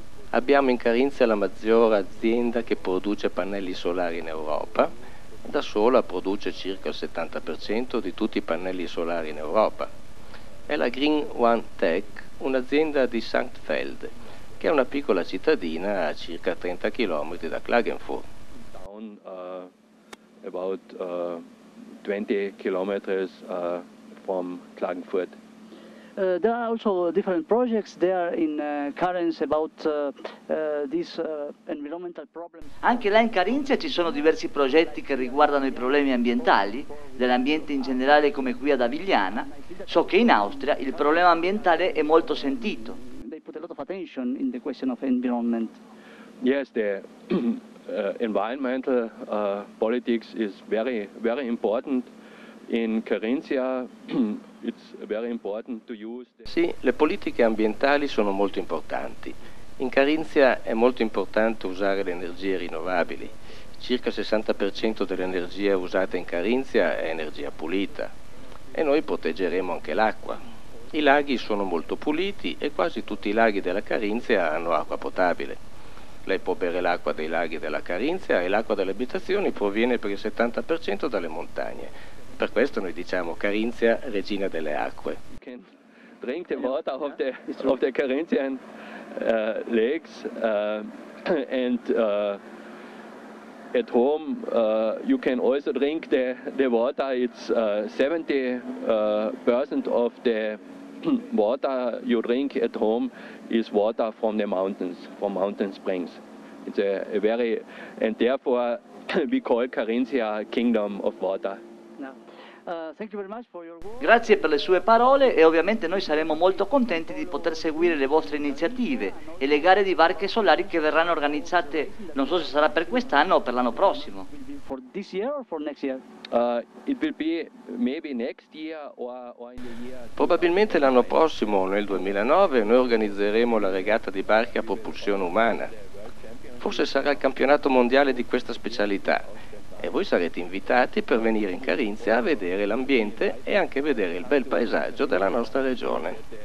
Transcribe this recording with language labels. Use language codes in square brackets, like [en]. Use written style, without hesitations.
[it] Abbiamo in Carinzia la maggiore azienda che produce pannelli solari in Europa. Da sola produce circa il 70% di tutti i pannelli solari in Europa. È la Green One Tech, un'azienda di Sanktveld, che è una piccola cittadina a circa 30 km da Klagenfurt. [en] Down about 20 km from Klagenfurt. There are also different projects there in Carinzia about these environmental problems. [it] Anche là in Carinzia ci sono diversi progetti che riguardano i problemi ambientali, dell'ambiente in generale, come qui ad Avigliana. So che in Austria il problema ambientale è molto sentito. [en] They put a lot of attention in the question of environment. Yes, the environmental politics is very, very important in Carinzia. It's very important to use the... [it] Sì, le politiche ambientali sono molto importanti. In Carinzia è molto importante usare le energie rinnovabili. Circa il 60% dell'energia usata in Carinzia è energia pulita. E noi proteggeremo anche l'acqua. I laghi sono molto puliti e quasi tutti i laghi della Carinzia hanno acqua potabile. Lei può bere l'acqua dei laghi della Carinzia e l'acqua delle abitazioni proviene per il 70% dalle montagne. Per questo noi diciamo Carinzia, regina delle acque. [en] You can drinking water of the of the Carinthian lakes, and at home you can also drink the water. It's 70% of the water you drink at home is water from the mountains, from mountain springs. It's a very, and therefore we call Carinthia kingdom of water. Thank you very much for your... [it] Grazie per le sue parole, e ovviamente noi saremo molto contenti di poter seguire le vostre iniziative e le gare di barche solari che verranno organizzate, non so se sarà per quest'anno o per l'anno prossimo. [en] For this year or for next year? It will be maybe next year or in the year... [it] Probabilmente l'anno prossimo, nel 2009, noi organizzeremo la regata di barche a propulsione umana. Forse sarà il campionato mondiale di questa specialità. E voi sarete invitati per venire in Carinthia a vedere l'ambiente e anche vedere il bel paesaggio della nostra regione.